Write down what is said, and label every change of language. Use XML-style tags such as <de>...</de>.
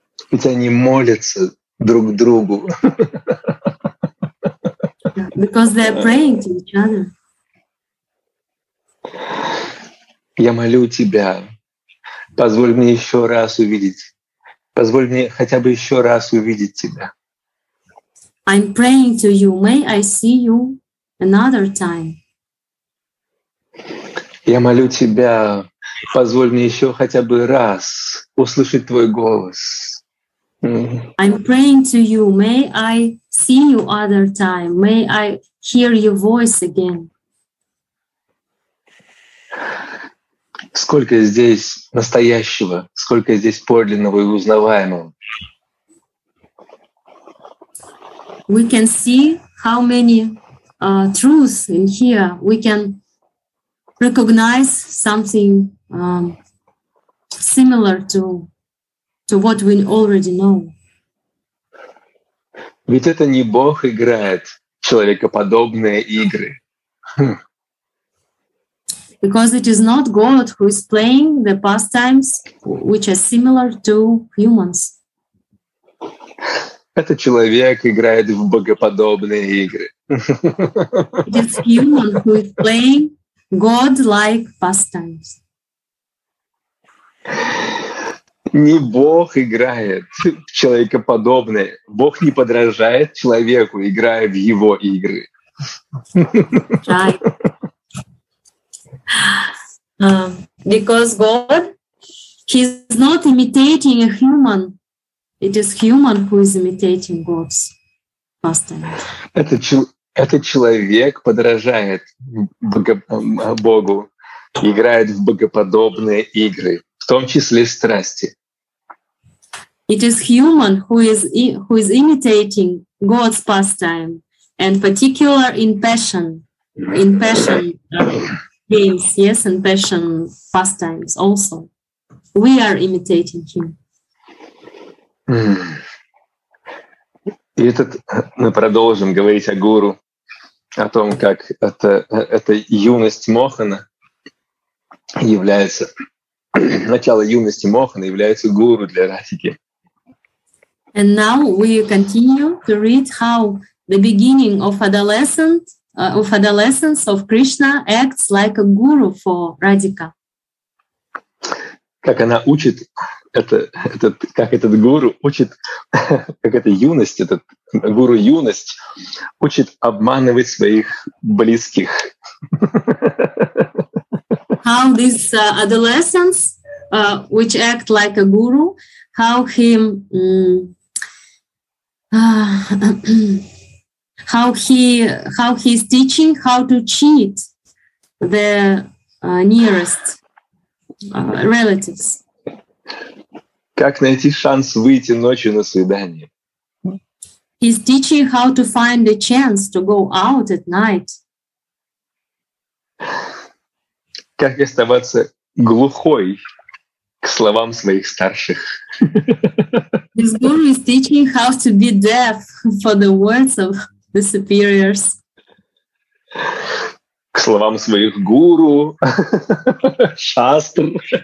<ru>Ведь они молятся друг другу.</ru> <en>Because they're praying to each other.</en> <ru>Я молю тебя, позволь мне еще раз увидеть, позволь мне хотя бы еще раз увидеть тебя.</ru> <en>I'm praying to you, may I see you another time.</en> <ru>Я молю тебя, позволь мне еще хотя бы раз услышать твой голос.</ru> <en>I'm praying to you, may I see you other time, may I hear your voice again.</en> <ru>Сколько здесь настоящего, сколько здесь подлинного и узнаваемого.</ru> <en>We can see how many truths in here. We can recognize something similar to what we already know.</en> <ru>Ведь это не Бог играет человекоподобные игры.</ru> <en>Because it is not God who is playing the pastimes which are similar to humans.</en> <ru>Это человек играет в богоподобные игры.</ru> <en>It is human who is playing God-like pastimes.</en> <ru>Не Бог играет в человекоподобные. Бог не подражает человеку, играя в его игры.</ru> <en>Right. Because God, he's not imitating a human. It is human who is imitating God's pastime.</en> <ru>Это человек подражает Богу, играет в богоподобные игры, в том числе страсти.</ru> <en>It is human who is imitating God's pastime, and particular in passion. Games, yes, and passion, pastimes also. We are imitating him.</en> <ru>И этот, мы продолжим говорить о гуру, о том, как эта юность Мохана является, начало юности Мохана является гуру для Радхики.</ru> <en>And now we continue to read how the beginning of adolescence of Krishna acts like a guru for Radhika.</en> <ru>Как она учит этот гуру учит, как эта юность, этот гуру юность учит обманывать своих близких.</ru> <en>How this adolescence, which act like a guru, how him How he is teaching how to cheat the nearest relatives.</en> <ru>Как найти шанс выйти ночью на свидание?</ru> <en>He's teaching how to find a chance to go out at night.</en> <ru>Как оставаться глухой к словам своих старших.</ru> <en>This guru is teaching how to be deaf for the words of the superiors.</en> <ru>К словам своих гуру, шастр.</ru>